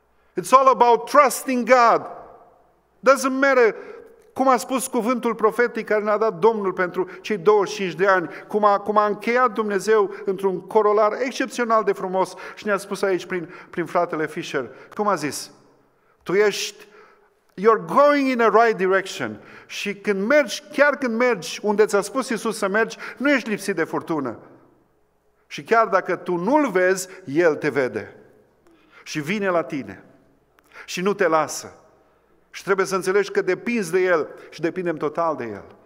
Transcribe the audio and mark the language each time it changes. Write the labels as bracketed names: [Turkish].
[English] It's all about trusting God. Doesn't matter, [Romanian] cum a spus cuvântul profetic care ne-a dat Domnul pentru cei 25 de ani, cum a încheiat Dumnezeu într-un corolar excepțional de frumos și ne-a spus aici prin fratele Fisher. Cum a zis? Tu ești, [English] you're going in the right direction. [Romanian] Și când mergi, chiar când mergi unde ți-a spus Iisus să mergi, nu ești lipsit de furtună. Și chiar dacă tu nu-L vezi, El te vede. Și vine la tine. Și nu te lasă. Și trebuie să înțelegi că depinzi de El și depindem total de El.